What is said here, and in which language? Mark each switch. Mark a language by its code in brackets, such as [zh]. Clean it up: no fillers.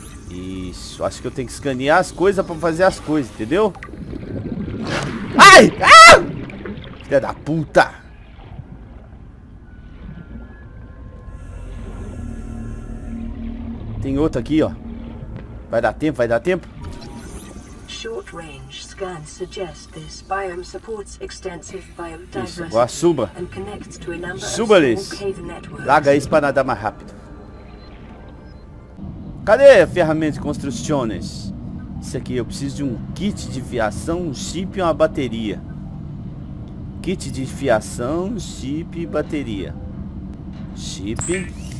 [pt] Isso, acho que eu tenho que escanear as coisas pra fazer as coisas, entendeu? Ai! Ah! Filha da puta! Tem outro aqui, ó. Vai dar tempo, vai dar tempo? [en] Short range scan suggests this biome supports extensive biodiversity. [pt] Isso, suba. Suba eles. Larga isso pra nadar mais rápido. Cadê a ferramenta de construções? Isso aqui, eu preciso de um kit de fiação, um chip e uma bateria. Kit de fiação, chip e bateria. Chip.